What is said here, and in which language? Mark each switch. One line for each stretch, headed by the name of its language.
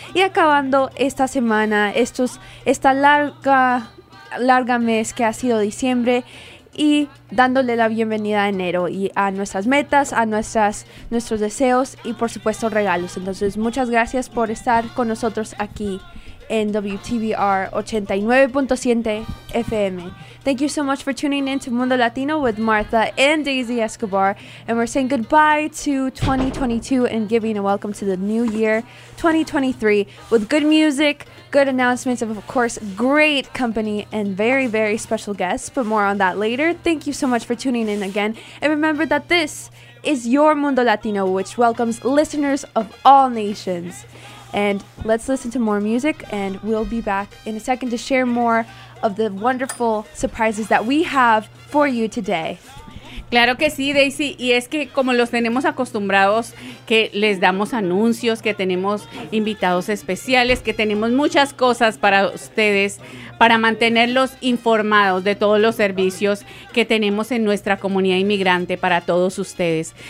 Spanish: Y acabando esta semana, esta larga mes que ha sido diciembre, y dándole la bienvenida a enero y a nuestras metas, a nuestros deseos y por supuesto regalos. Entonces muchas gracias por estar con nosotros aquí en WTBR 89.7 FM.
English: Thank you so much for tuning in to Mundo Latino with Martha and Daisy Escobar, and we're saying goodbye to 2022 and giving a welcome to the new year 2023 with good music, good announcements, and of course great company and very, very special guests, but more on that later. Thank you so much for tuning in again, and remember that this is your Mundo Latino, which welcomes listeners of all nations. And let's listen to more music, and we'll be back in a second to share more of the wonderful surprises that we have for you today.
Spanish: Claro que sí, Daisy, y es que como los tenemos acostumbrados, que les damos anuncios, que tenemos invitados especiales, que tenemos muchas cosas para ustedes, para mantenerlos informados de todos los servicios que tenemos en nuestra comunidad inmigrante para todos ustedes.